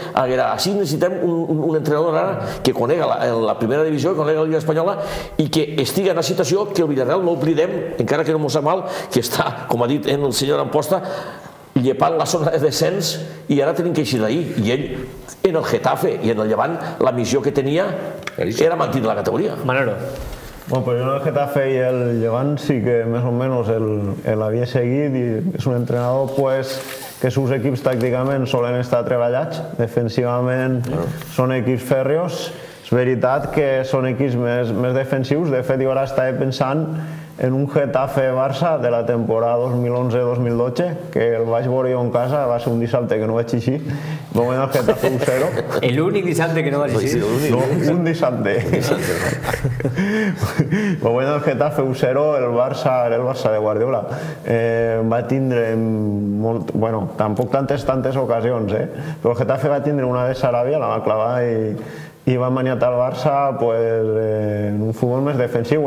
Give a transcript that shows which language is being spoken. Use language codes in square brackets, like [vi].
[ca] Així necessitem un entrenador ara que conega la primera divisió, que conega la Lliga Espanyola i que estigui en la situació que el Villarreal, no oblidem, encara que no mos sap mal, que està, com ha dit el senyor Amposta, llepant la zona de descens i ara tenim que eixir d'ahir. I ell, en el Getafe i en el Llevant, la missió que tenia era mantenir la categoria. Manolo. [es] Bueno, pues yo en el Getafe y el Llevant sí que más o menos el había seguido y es un entrenador pues que sus equipos tácticamente suelen estar treballats, defensivamente bueno. Son equipos férreos, es verdad que son equipos más defensivos, de hecho yo ahora estaba pensando en un Getafe-Barça de la temporada 2011-2012, [ca] que el vaig veure jo en casa, va ser un dissabte que no vaig així, va guanyar el Getafe 1-0. El únic dissabte que no vaig així. No, un dissabte. Va guanyar el Getafe 1-0, el Barça era el Barça de Guardiola. Va tindre molt, bueno, tampoc tantes ocasions, però el Getafe va tindre una de Sarabia, la va clavar i van maniatar el Barça en un futbol més defensiu.